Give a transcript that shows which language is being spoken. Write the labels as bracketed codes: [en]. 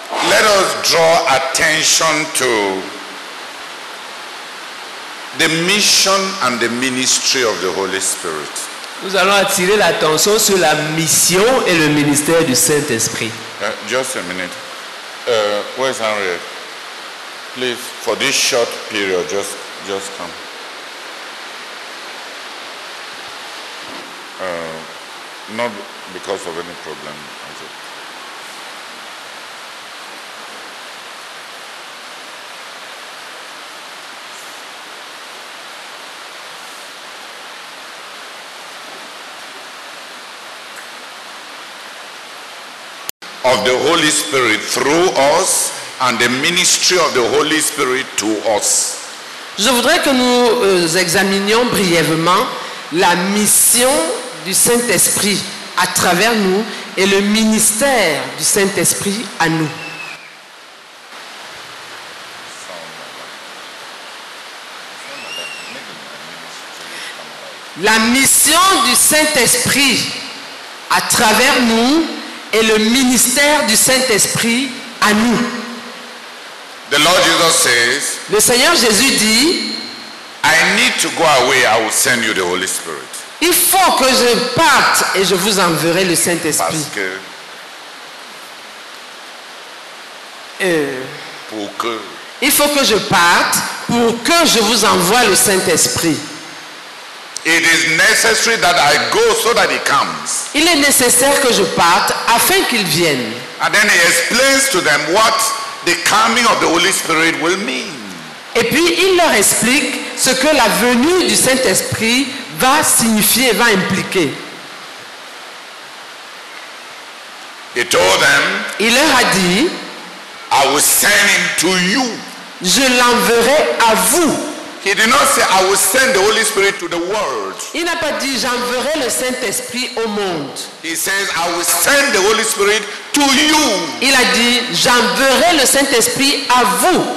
[en] Let us draw attention to the mission and the ministry of the Holy Spirit. [fr] Nous allons attirer l'attention sur la mission et le ministère du Saint-Esprit. [en] Just a minute. Where is Henry? Please, for this short period, just come. Not because of any problem. Of the Holy Spirit through us and the ministry of the Holy Spirit to us. [fr] Je voudrais que nous examinions brièvement la mission du Saint-Esprit à travers nous et le ministère du Saint-Esprit à nous. La mission du Saint-Esprit à travers nous et le ministère du Saint-Esprit à nous. [en] The Lord Jesus says, [fr] le Seigneur Jésus dit, [en] I need to go away, I will send you the Holy Spirit. [fr] Il faut que je parte et je vous enverrai le Saint-Esprit. Parce que pour que il faut que je parte pour que je vous envoie le Saint-Esprit. [en] It is necessary that I go so that he comes. [fr] Il est nécessaire que je parte afin qu'il vienne. [en] And then he explains to them what the coming of the Holy Spirit will mean. [fr] Et puis il leur explique ce que la venue du Saint-Esprit va signifier et va impliquer. [en] He told them, [fr] il leur a dit, [en] I will send him to you. [fr] Je l'enverrai à vous. [en] He did not say, I will send the Holy Spirit to the world. [fr] Il n'a pas dit, j'enverrai le Saint-Esprit au monde. [en] He says, I will send the Holy Spirit to you. [fr] Il a dit, j'enverrai le Saint-Esprit à vous.